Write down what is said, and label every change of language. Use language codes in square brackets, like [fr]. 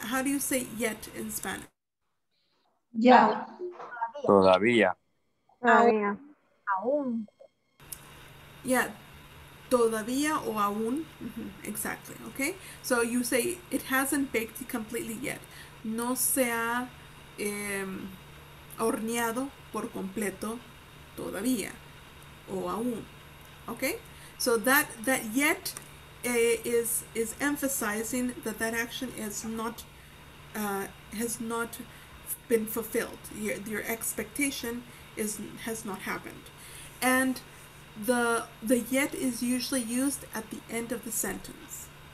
[en] How do you say yet in Spanish? Yeah. [es] Todavía. Todavía. [en] Yeah. [es] Todavía o aún. [en] Mm-hmm. Exactly. Okay? So you say it hasn't baked completely yet. [es] No se ha horneado por completo todavía o aún. [en] Okay, so that yet is emphasizing that action has not been fulfilled, your expectation has not happened, and the yet is usually used at the end of the sentence.